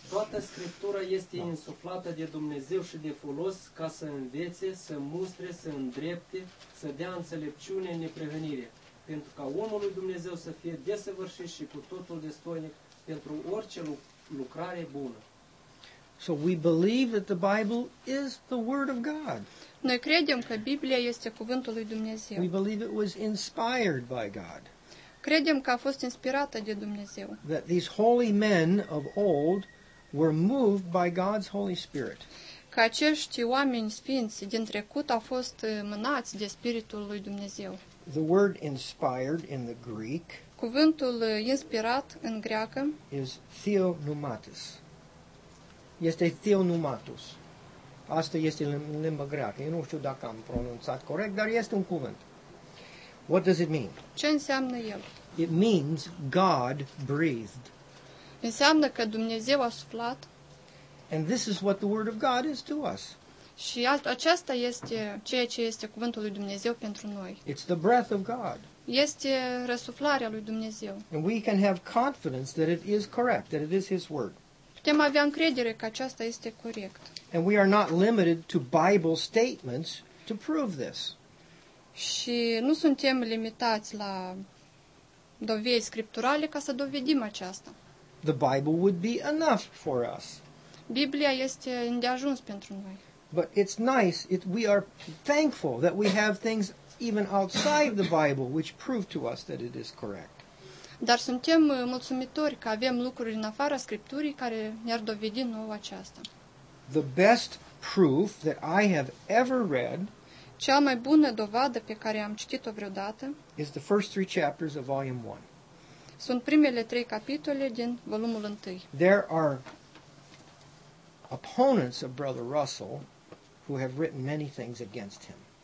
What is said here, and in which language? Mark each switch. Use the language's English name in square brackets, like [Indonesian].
[Romanian] Toată Scriptura este insuflată de Dumnezeu și de folos ca să învețe, să mustre, să îndrepte, să dea înțelepciune în neprihănire, pentru ca omului Dumnezeu să fie desăvârșit și cu totul destoinic pentru orice lucrare bună. [English] So we believe that the Bible is the Word of God. [Romanian] Noi credem că Biblia este cuvântul lui Dumnezeu. [English] We believe it was inspired by God. [Romanian] Credem că a fost inspirată de Dumnezeu. [English] That these holy men of old were moved by God's Holy Spirit. [Romanian] Că acești oameni sfinți din trecut au fost mânați de Spiritul lui Dumnezeu. [English] The word inspired in the Greek. [Romanian] Cuvântul inspirat în greacă [English] is theopneumatos. [Romanian] Este theopneumatos. Asta este în limba greacă. Eu nu știu dacă am pronunțat corect, dar este un cuvânt. [English] What does it mean? [Romanian] Ce înseamnă el? [English] It means God breathed. [Romanian] Înseamnă că Dumnezeu a suflat. [English] And this is what the Word of God is to us. [Romanian] Și aceasta este ceea ce este cuvântul lui Dumnezeu pentru noi. [English] It's the breath of God. [Romanian] Este răsuflarea lui Dumnezeu. [English] And we can have confidence that it is correct, that it is His Word. [Romanian] Putem avea încredere că aceasta este corect. [English] And we are not limited to Bible statements to prove this. [Romanian] Și nu suntem limitați la dovezi scripturale ca să dovedim aceasta. [English] The Bible would be enough for us. [Romanian] Biblia este îndeajuns pentru noi. [English] But it's nice, we are thankful that we have things even outside the Bible which prove to us that it is correct. [Romanian] Dar suntem mulțumitori că avem lucruri în afara Scripturii care ne-ar dovedi nouă aceasta. [English] The best proof that I have ever read. [Romanian] Cea mai bună dovadă pe care am citit-o vreodată. [English] Is the first three chapters of volume one. [Romanian] Sunt primele trei capitole din volumul întâi. [English] There are opponents of Brother Russell who have written many things against him.